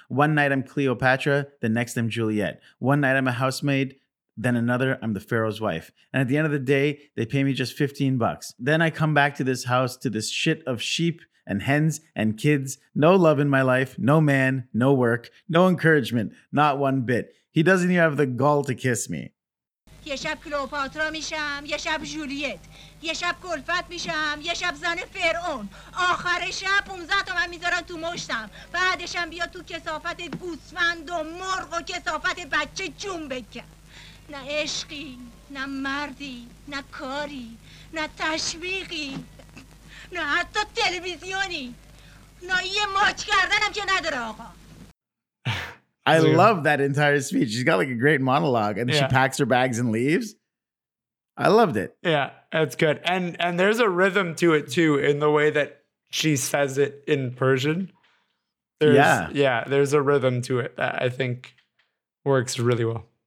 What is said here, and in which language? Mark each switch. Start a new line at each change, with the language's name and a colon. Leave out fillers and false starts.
English: One night I'm Cleopatra, the next I'm Juliet. One night I'm a housemaid, then another I'm the Pharaoh's wife. And at the end of the day, they pay me just $15. Then I come back to this house, to this shit of sheep and hens and kids. No love in my life, no man, no work, no encouragement, not one bit. He doesn't even have the gall to kiss me.
Persian: یه شب کلوپاترا میشم، یه شب جولیت، یه شب کلفت میشم، یه شب زن فرعون. آخر شب 15 تومن میذارن تو مشتم. بعدشم بیا تو کثافت گوسفند و مرغ و کثافت بچه جون بکن. نه عشقی، نه مردی، نه کاری، نه تشویقی، نه حتی تلویزیونی، نه یه ماچ کردنم که نداره آقا.
English: I love that entire speech. She's got like a great monologue and she packs her bags and leaves. I loved it. Yeah, that's good. And there's a rhythm to it too in the way that she says it in Persian. There's a rhythm to it that I think works really well.